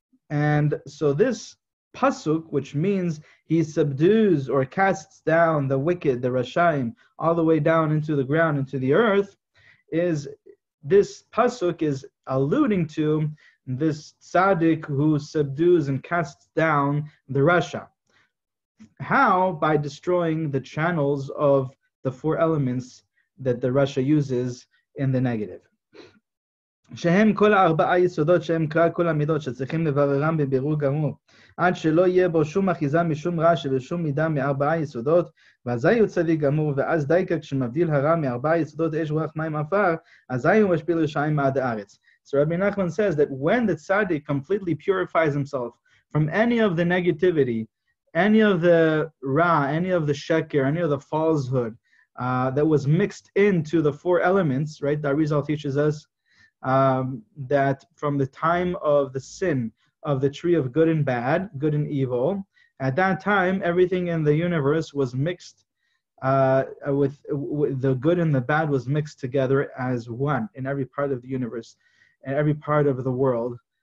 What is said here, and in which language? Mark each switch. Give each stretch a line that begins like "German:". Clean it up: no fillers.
English: And so this Pasuk, which means he subdues or casts down the wicked, the Rashaim, all the way down into the ground, into the earth, is this Pasuk is alluding to this Tzaddik who subdues and casts down the Rasha. How? By destroying the channels of the four elements that the Rasha uses in the negative.
Hebrew: שהם כל ארבעה יסודות שהם קרא כל המידות שצריכים לבררם בבירור גמור עד שלא יהיה בו שום אחיזה משום רע שבשום מידה מארבעה יסודות ואזי הוא צדיק גמור ואז די כך שמבדיל הרע מארבעה יסודות אש רוח מים עפר אזי הוא משפיל רשעים מעד הארץ.
English: So Rabbi Nachman says that when the tzaddik completely purifies himself from any of the negativity, any of the ra, any of the sheker, any of the falsehood that was mixed into the four elements, right? The Arizal teaches us that from the time of the sin of the tree of good and bad, good and evil, at that time everything in the universe was mixed with the good and the bad was mixed together as one in every part of the universe and every part of the world.